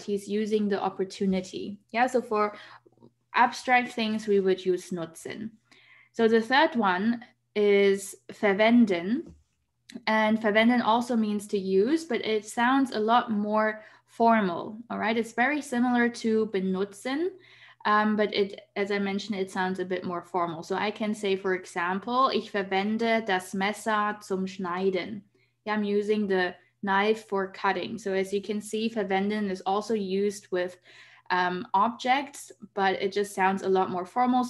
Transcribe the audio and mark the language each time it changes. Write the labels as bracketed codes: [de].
[en] He's using the opportunity. Yeah, so for abstract things, we would use nutzen. So the third one is verwenden. And verwenden also means to use, but it sounds a lot more formal, all right? It's very similar to benutzen, but it, as I mentioned, it sounds a bit more formal. So I can say, for example, [de] ich verwende das Messer zum Schneiden. [en] Yeah, I'm using the knife for cutting. So as you can see, verwenden is also used with objects, but it just sounds a lot more formal.